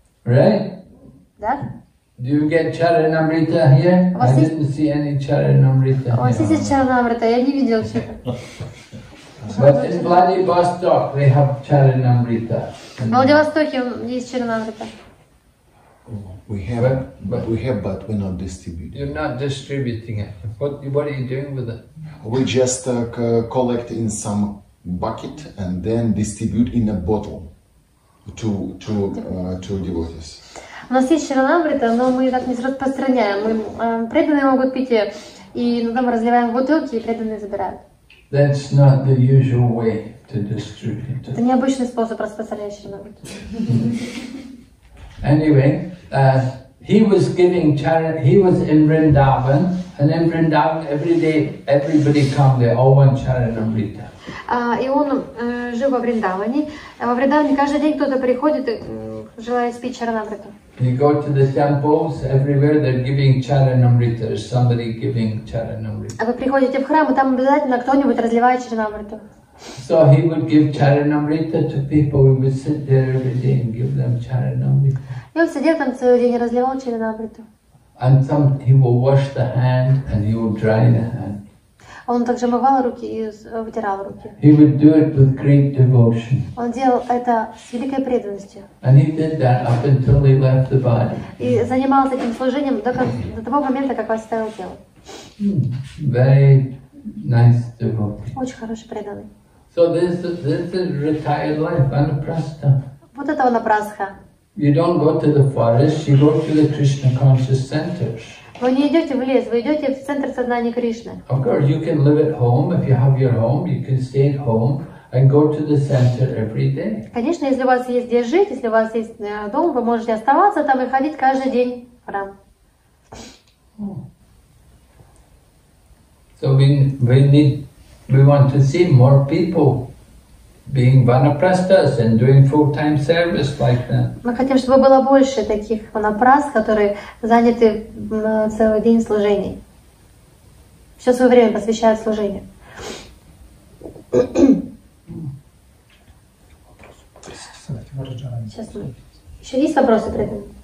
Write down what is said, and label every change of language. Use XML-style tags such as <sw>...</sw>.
<en>Right?</en> <ru>Да?</ru> <en>Do you get charanamrita here? I didn't see any charanamrita here.</en> <ru>У вас есть чаранамрита? Я не видел чего.</ru> <en>But in Vladivostok they have charanamrita.</en> <ru>В Владивостоке есть чаранамрита.</ru> <en>We have it, but we have, but we're not distributing. You're not distributing it. What are you doing with it? We just collect in some bucket and then distribute in a bottle to devotees.</en> <ru>У нас есть чаранамрита, но мы так не распространяем. Мы преданные могут пить ее, и там разливаем бутылки, и преданные забирают.</ru> <en>That's not the usual way to distribute.</en> <ru>Это необычный способ распространения чаранамриты.</ru> <en>Anyway, he was giving charan. He was in Vrindavan, and in Vrindavan, every day, everybody come. They all want charanamrita.</en> <ru>И он жил во Вриндаване. Во Вриндаване каждый день кто-то приходит, желая спить чаранамриту.</ru> <en>You go to the temples everywhere. They're giving charanamrita. Somebody giving charanamrita.</en> <ru>А вы приходите в храм, и там обязательно кто-нибудь разливает чаранамриту.</ru> <en>So he would give charanamrita to people. He would sit there every day and give them charanamrita.</en> <ru>И он сидел там целый день и разливал чаранамриту.</ru> <en>And some he will wash the hand and he will dry the hand.</en> <ru>Он также омывал руки и вытирал руки.</ru> <en>He would do it with great devotion.</en> <ru>Он делал это с великой преданностью.</ru> <en>And he did that up until he left the body.</en> <ru>И занимался этим служением до того момента, как оставил тело.</ru> <en>Very nice devotee.</en> <ru>Очень хороший преданный.</ru> <en>So this is retired life, anaprastha.</en> <ru>Вот это анапрастха.</ru> <en>You don't go to the forest, you go to the Krishna conscious centers.</en> <ru>Вы не идете в лес, вы идете в центр сознания Кришны.</ru> <en>Of course, you can live at home if you have your home. You can stay at home and go to the center every day.</en> <ru>Конечно, если у вас есть где жить, если у вас есть дом, вы можете оставаться там и ходить каждый день в храм.</ru> <en>So we want to see more people being vanaprasthas and doing full-time service like that.</en> <ru>Мы хотим, чтобы было больше таких ванапраст, которые заняты целый день служений. Все свое время посвящают служению. Еще есть вопросы при этом?</ru>